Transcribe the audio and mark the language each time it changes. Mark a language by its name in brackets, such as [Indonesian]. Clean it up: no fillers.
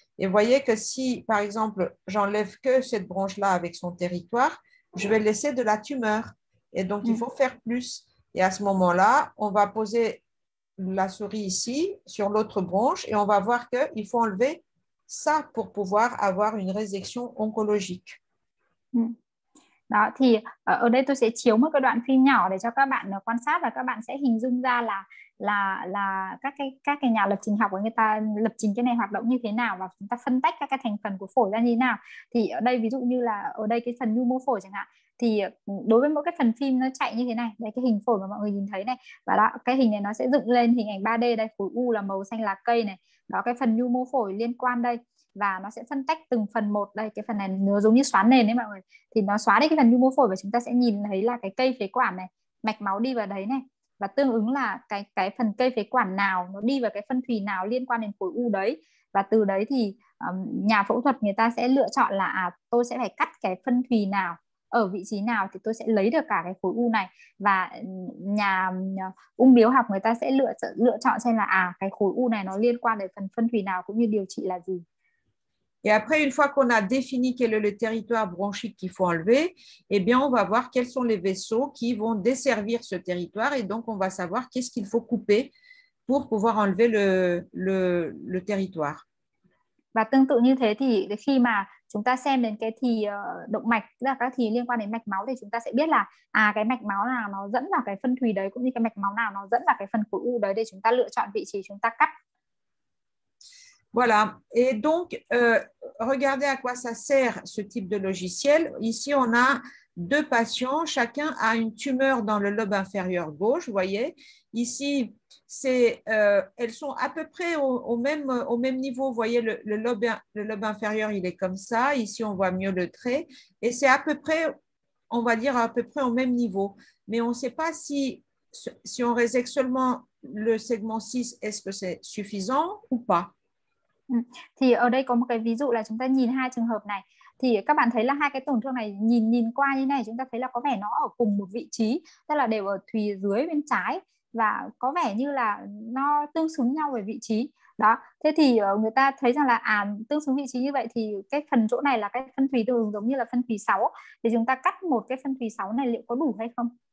[French] Et vous voyez que si, par exemple, j'enlève que cette branche-là avec son territoire, je vais laisser de la tumeur. Et donc, il faut faire plus. Et à ce moment-là, on va poser la souris ici, sur l'autre branche, et on va voir qu'il faut enlever ça pour pouvoir avoir une résection oncologique. [Vietnamese] Đó thì ở đây tôi sẽ chiếu một cái đoạn phim nhỏ để cho các bạn quan sát và các bạn sẽ hình dung ra là các cái nhà lập trình học của người ta lập trình cái này hoạt động như thế nào và chúng ta phân tách các cái thành phần của phổi ra như thế nào. Thì ở đây ví dụ như là ở đây cái phần nhu mô phổi chẳng hạn, thì đối với mỗi cái phần phim nó chạy như thế này, đây cái hình phổi mà mọi người nhìn thấy này, và đó cái hình này nó sẽ dựng lên hình ảnh 3D đây, khối u là màu xanh lá cây này, đó cái phần nhu mô phổi liên quan đây, và nó sẽ phân tách từng phần một đây, cái phần này nó giống như xóa nền đấy mọi người, thì nó xóa đi cái phần nhu mô phổi và chúng ta sẽ nhìn thấy là cái cây phế quản này, mạch máu đi vào đấy này, và tương ứng là cái phần cây phế quản nào nó đi vào cái phân thùy nào liên quan đến khối u đấy, và từ đấy thì nhà phẫu thuật người ta sẽ lựa chọn là tôi sẽ phải cắt cái phân thùy nào ở vị trí nào thì tôi sẽ lấy được cả cái khối u này, và nhà ung biếu học người ta sẽ lựa lựa chọn xem là cái khối u này nó liên quan đến phần phân thùy nào cũng như điều trị là gì. [French] Et après, une fois qu'on a défini quel est le territoire bronchique qu'il faut enlever, eh bien, on va voir quels sont les vaisseaux qui vont desservir ce territoire. Et donc, on va savoir qu'est-ce qu'il faut couper pour pouvoir enlever le territoire. [Vietnamese] Và tương tự như thế thì khi mà chúng ta xem đến cái thùy động mạch, tức là các thùy liên quan đến mạch máu, thì chúng ta sẽ biết là cái mạch máu nào nó dẫn vào cái phân thùy đấy, cũng như cái mạch máu nào nó dẫn vào cái phần khối u đấy, để chúng ta lựa chọn vị trí chúng ta cắt. [French] Voilà, et donc, regardez à quoi ça sert ce type de logiciel. Ici, on a deux patients, chacun a une tumeur dans le lobe inférieur gauche, vous voyez. Ici, elles sont à peu près au même niveau, vous voyez, le lobe inférieur, il est comme ça. Ici, on voit mieux le trait, et c'est à peu près, on va dire, à peu près au même niveau. Mais on ne sait pas si on résecte seulement le segment 6, est-ce que c'est suffisant ou pas? [Vietnamese] Thì ở đây có một cái ví dụ là chúng ta nhìn hai trường hợp này, thì các bạn thấy là hai cái tổn thương này nhìn nhìn qua như này chúng ta thấy là có vẻ nó ở cùng một vị trí, tức là đều ở thùy dưới bên trái và có vẻ như là nó tương xứng nhau về vị trí đó. Thế thì người ta thấy rằng là tương xứng vị trí như vậy thì cái phần chỗ này là cái phân thùy đường giống như là phân thùy 6, thì chúng ta cắt một cái phân thùy 6 này liệu có đủ hay không?